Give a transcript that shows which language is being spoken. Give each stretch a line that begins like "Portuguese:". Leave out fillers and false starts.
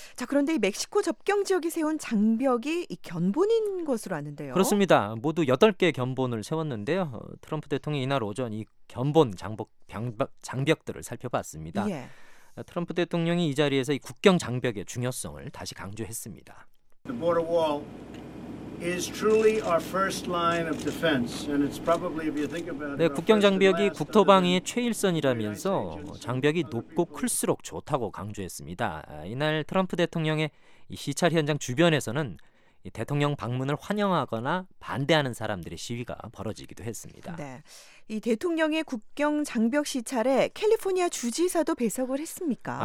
Korean: 자, 그런데 이 멕시코 접경 지역이 세운 장벽이 견본인 것으로 아는데요. 그렇습니다. 모두 8개 견본을 세웠는데요. 트럼프 대통령이 이날 오전 이 견본 장벽들을 살펴봤습니다. 예. 트럼프 대통령이 이 자리에서 이 국경 장벽의 중요성을 다시 강조했습니다.
English: The border wall is truly our first line of defense and it's probably if you think about it.
Korean: 네, 국경 장벽이 국토방위의 최일선이라면서 장벽이 높고 클수록 좋다고 강조했습니다. 이날 트럼프 대통령의 시찰 현장 주변에서는 대통령 방문을 환영하거나 반대하는 사람들의 시위가 벌어지기도 했습니다. 네. 이 대통령의 국경 장벽 시찰에 캘리포니아 주지사도 배석을 했습니까?